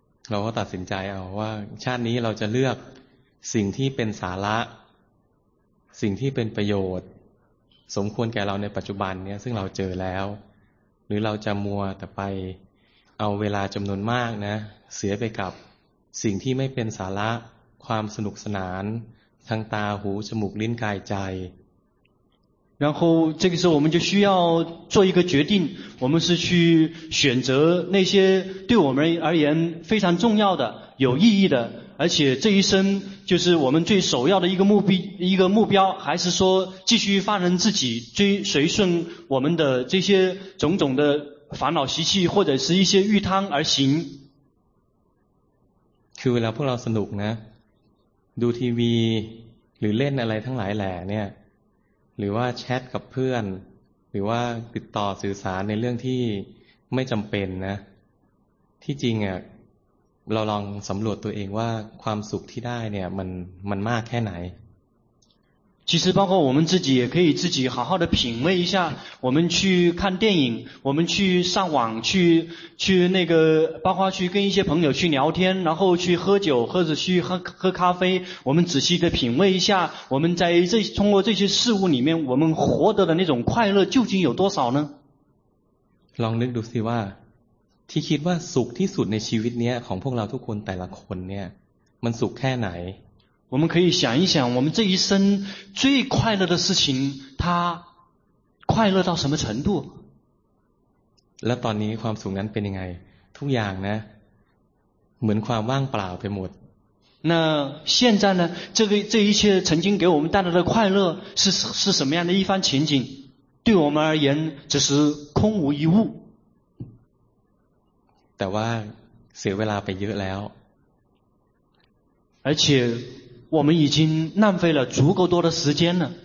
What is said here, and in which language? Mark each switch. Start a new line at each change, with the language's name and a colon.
Thai: เราก็ตัดสินใจเอาว่าชาตินี้เราจะเลือกสิ่งที่เป็นสาระสิ่งที่เป็นประโยชน์สมควรแก่เราในปัจจุบันเนี้ยซึ่งเราเจอแล้วหรือเราจะมัวแต่ไปเอาเวลาจำนวนมากนะเสียไปกับสิ่งที่ไม่เป็นสาระความสนุกสนานทางตาหูจมูกลิ้นกายใจ
Chinese: 然后这个时候我们就需要做一个决定我们是去选择那些对我们而言非常重要的有意义的而且这一生就是我们最首要的一个目标还是说继续放任自己追随顺我们的这些种种的烦恼习气或者是一些欲贪而行
Thai: คือเวลาพวกเราสนุกนะดูทีวีหรือเล่นอะไรทั้งหลายแหล่เนี่ยหรือว่าแชทกับเพื่อนหรือว่าติดต่อสื่อสารในเรื่องที่ไม่จำเป็นนะที่จริงอ่ะเราลองสำรวจตัวเองว่าความสุขที่ได้เนี่ยมันมากแค่ไหน
Chinese: 其实包括我们自己也可以自己好好的品味一下，我们去看电影，我们去上网，去那个，包括去跟一些朋友去聊天，然后去喝酒或者去喝咖啡，我们仔细的品味一下，我们在这通过这些事物里面，我们获得的那种快乐究竟有多少呢？
Thai: ลองนึกดูสิว่าที่คิดว่าสุขที่สุดในชีวิตเนี้ยของพวกเราทุกคนแต่ละคนเนี่ยมันสุขแค่ไหน
Chinese: 我们可以想一想我们这一生最快乐的事情它快乐到什么程度
Thai: แล้วตอนนี้ความสุขนั้นเป็นยังไงทุกอย่างนะเหมือนความว่างเปล่าไปหมด
Chinese: 那现在呢这一切曾经给我们带来的快乐是什么样的一番情景对我们而言只是空无一物
Thai: แต่ว่าเสียเวลาไปเยอะแล้ว
Chinese: 而且我们已经浪费了足够多的时间了